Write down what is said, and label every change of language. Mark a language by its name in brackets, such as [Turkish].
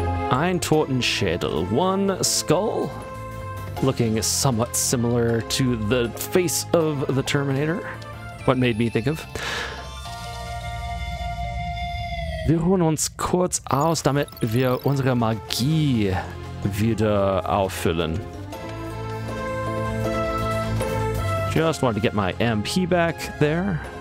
[German] Ein Totenschädel, [English] one skull, looking somewhat similar to the face of the Terminator. What made me think of? [German] Wir ruhen uns kurz aus, damit wir unsere Magie wieder auffüllen. [English] Just wanted to get my MP back there.